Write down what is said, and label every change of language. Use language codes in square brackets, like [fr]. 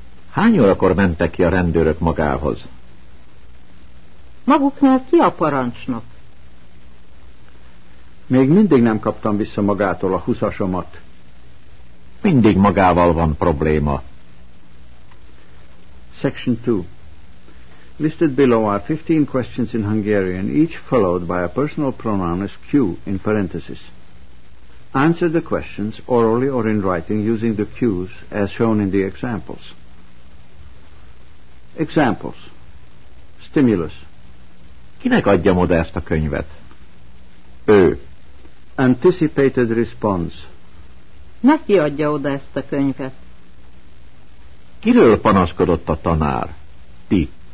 [hu] Hány órakor mentek ki a rendőrök magához? Maguknál ki a parancsnok? Még mindig nem kaptam vissza magától a 20-asomat. Mindig magával van probléma. [en] Section 2. Listed below are 15 questions in Hungarian, each followed by a personal pronoun as Q in parentheses. Answer the questions orally or in writing using the Qs as shown in the examples. Examples. Stimulus. [hu] Kinek adjam oda ezt a könyvet? [en] Ő. Anticipated response. [hu] Neki adja oda ezt a könyvet? Kiről panaszkodott a tanár? Ti.